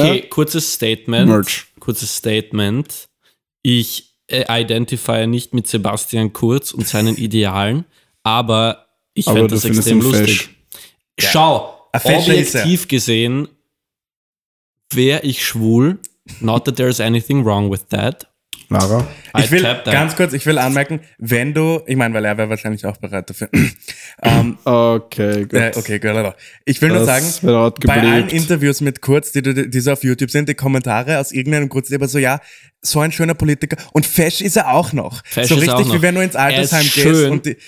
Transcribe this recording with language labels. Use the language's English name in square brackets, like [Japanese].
[German] Okay, kurzes Statement. Merch. Kurzes Statement. Ich identify nicht mit Sebastian Kurz und seinen Idealen, aber ich fände das extrem lustig. Fesch. Schau, ja. Objektiv gesehen, wäre ich schwul. [English] Not that there is anything wrong with that. [German] Lara? Ich will anmerken, wenn du, ich meine, weil er wäre wahrscheinlich auch bereit dafür. Okay, gut. Ich will das nur sagen, bei allen Interviews mit Kurz, die so auf YouTube sind, die Kommentare aus irgendeinem Grund sind immer so, ja, so ein schöner Politiker. Und fesch ist er auch noch. Fesch so ist richtig, auch noch. Wie wenn du ins Altersheim gehst.